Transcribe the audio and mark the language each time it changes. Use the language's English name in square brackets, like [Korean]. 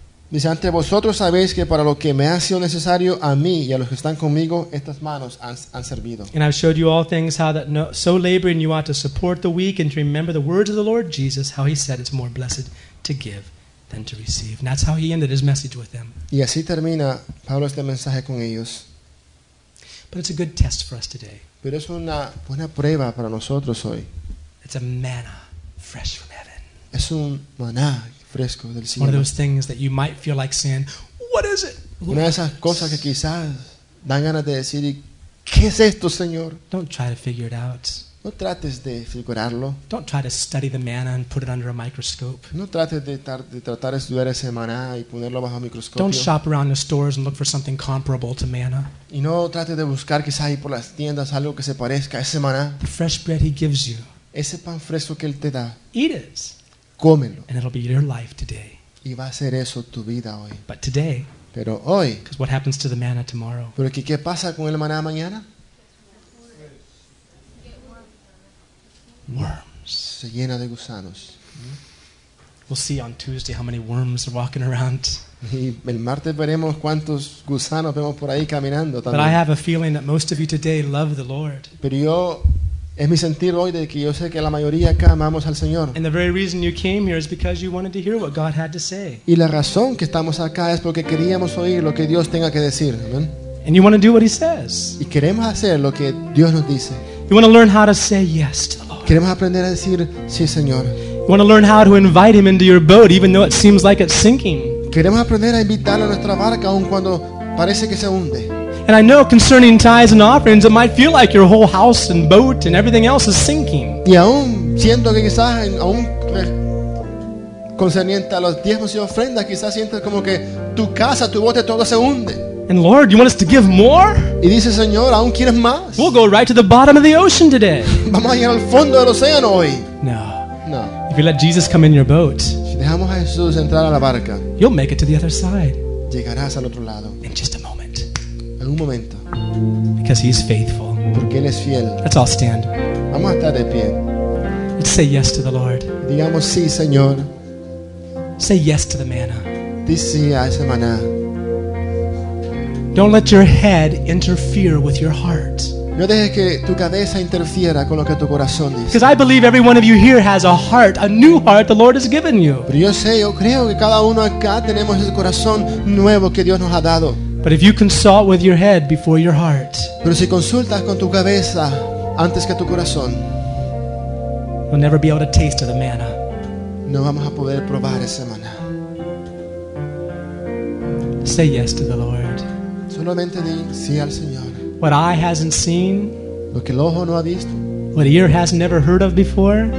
[Spanish] Dice, ante vosotros sabéis que para lo que me ha sido necesario a mí y a los que están conmigo, estas manos han servido. [English] And I've showed you all things how that no, so laboring you ought to support the weak and to remember the words of the Lord Jesus, how he said it's more blessed to give. And to receive. And that's how he ended his message with them. [Spanish] Y así termina Pablo este mensaje con ellos. [English] But it's a good test for us today. [Spanish] Pero es una buena prueba para nosotros hoy. [English] It's a manna fresh from heaven. [Spanish] Es un maná fresco del cielo. [English] One of those things that you might feel like saying, what is it? Lord? [Spanish] Una de esas cosas que quizás dan ganas de decir, ¿qué es esto, Señor? [English] Don't try to figure it out. [Spanish] No trates de figurarlo. [English] Don't try to study the manna and put it under a microscope. [Spanish] No trates de tratar de estudiar ese maná y ponerlo bajo microscopio. [English] Don't shop around the stores and look for something comparable to manna. [Spanish] Y no trates de buscar quizás ahí por las tiendas algo que se parezca a ese maná. [English] The fresh bread he gives you. [Spanish] Ese pan fresco que él te da. [English] Eat it. [Spanish] Cómelo. [English] And it'll be your life today. [Spanish] Y va a ser eso tu vida hoy. [English] But today. [Spanish] Pero hoy. [English] Because what happens to the manna tomorrow? [Spanish] Pero ¿qué pasa con el maná mañana? [English] Worms. [Spanish] Se llena de gusanos. [English] We'll see on Tuesday how many worms are walking around. [Spanish] Y el martes veremos cuántos gusanos vemos por ahí caminando también. [English] But I have a feeling that most of you today love the Lord. [Spanish] Pero yo es mi sentir hoy de que yo sé que la mayoría acá amamos al Señor. [English] And the very reason you came here is because you wanted to hear what God had to say. [Spanish] Y la razón que estamos acá es porque queríamos oír lo que Dios tenga que decir. [English] Amen. And you want to do what He says. [Spanish] Y queremos hacer lo que Dios nos dice. [English] You want to learn how to say yes to. [Spanish] Queremos aprender a decir sí, Señor. [English] You want to learn how to invite him into your boat, even though it seems like it's sinking. [Spanish] Queremos aprender a invitarlo a nuestra barca, aun cuando parece que se hunde. [English] And I know concerning tithes and offerings, it might feel like your whole house and boat and everything else is sinking. [Spanish] Y aún siento que quizás aún concerniente a los diezmos y ofrendas, quizás sientes como que tu casa, tu bote, todo se hunde. [English] And Lord, you want us to give more? [Spanish] Y dice, Señor, ¿aún quieres más? [English] We'll go right to the bottom of the ocean today. [Spanish] Vamos a ir al fondo del océano hoy. [English] No. [Spanish] No. [English] If you let Jesus come in your boat, [Spanish] si dejamos a Jesús entrar a la barca, [English] you'll make it to the other side. [Spanish] Llegarás al otro lado. [English] In just a moment. [Spanish] En un momento. [English] Because he's faithful. [Spanish] Porque él es fiel. [English] Let's all stand. [Spanish] Vamos a estar de pie. [English] Let's say yes to the Lord. [Spanish] Digamos sí, Señor. [English] Say yes to the manna. [Spanish] Dice sí a ese maná. [English] Don't let your head interfere with your heart. [Spanish] No dejes que tu cabeza interfiera con lo que tu corazón dice. [English] Because I believe every one of you here has a heart, a new heart the Lord has given you. [Spanish] Pero yo sé, yo creo que cada uno acá tenemos ese corazón nuevo que Dios nos ha dado. [English] But if you consult with your head before your heart. [Spanish] Pero si consultas con tu cabeza antes que tu corazón. [English] You'll never be able to taste of the manna. [Spanish] No vamos a poder probar ese maná. [English] Say yes to the Lord. [Spanish] Solamente di sí al Señor. [English] What eye hasn't seen, [Spanish] lo que el ojo no ha visto, [English] what ear has never heard of before,